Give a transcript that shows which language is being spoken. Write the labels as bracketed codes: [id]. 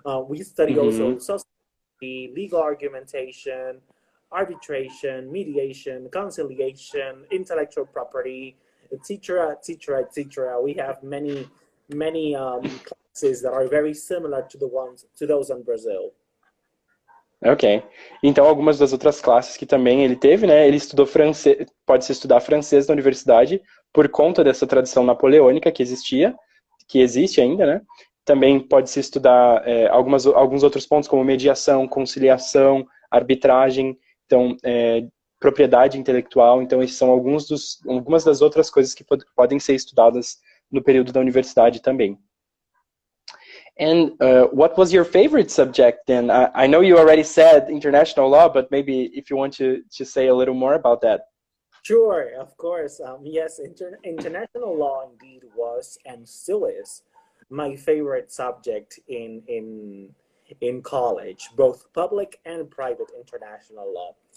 [en] We studied also sociology, legal argumentation, arbitration, mediation, conciliation, intellectual property, etc. We have many, many classes that are very similar to those in Brazil. Ok. [pt] Então, algumas das outras classes que também ele teve, né? Ele estudou francês, pode se estudar francês na universidade por conta dessa tradição napoleônica que existia, que existe ainda, né? Também pode se estudar alguns outros pontos como mediação, conciliação, arbitragem, então, propriedade intelectual, então esses são algumas das outras coisas que podem ser estudadas no período da universidade também. [en] And what was your favorite subject then? I know you already said international law, but maybe if you want to say a little more about that. Sure, of course. Yes, international law indeed was and still is my favorite subject in college, both public and private international law.